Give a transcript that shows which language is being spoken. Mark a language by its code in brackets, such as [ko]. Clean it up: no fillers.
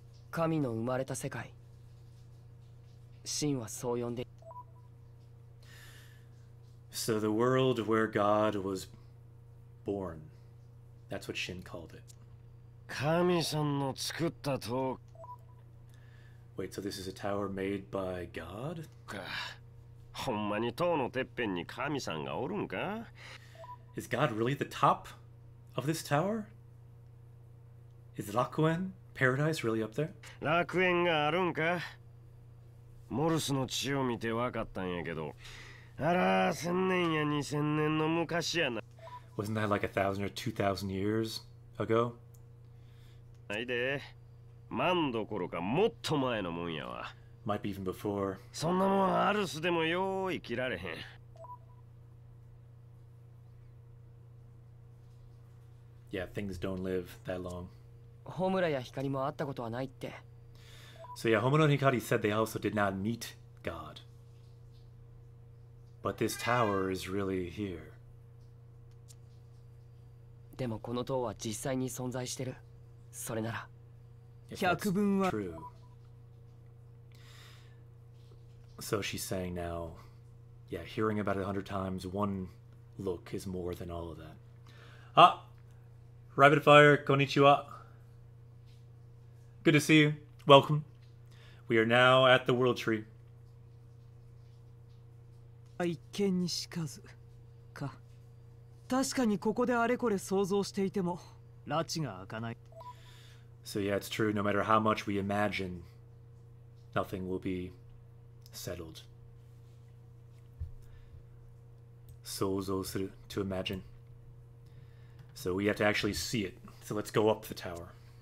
[ja] 神の生まれた世界。神はそう呼んで。 [en] So the world where God was born. That's what Shin called it. [ja] 神さんの作った塔。 [en] Wait, so this is a tower made by God? [ja] ほんまに塔のてっぺんに神さんがおるんか? [en] Is God really at the top of this tower? Is Rakuen, paradise, really up there? [ja] 楽園があるんか? モルスの血を見てわかったんやけど。あら、千年や二千年の昔やな。 [en] Wasn't that like 1,000 or 2,000 years ago? [ja] ないで。万どころかもっと前のもんやわ。 [en] Might be even before. [ja] そんなもんアルスでもよー生きられへん。 [en] Yeah, things don't live that long. [ja] ホムラやヒカリも会ったことはないって。 [en] So yeah, ホムラヒカリ said they also did not meet God. But this tower is really here. [ja] でもこの塔は実際に存在してる。それなら。 [en] True. So she's saying now, yeah, hearing about it 100 times, one look is more than all of that. Ah! Rabbit Fire, konnichiwa. Good to see you. Welcome. We are now at the World Tree. I can't see it. Ka. [ja] 確かにここであれこれ想像していても、ラチが開かない。 [en] So yeah, it's true, no matter how much we imagine, nothing will be settled. 想像する, to imagine. So we have to actually see it. So let's go up the tower.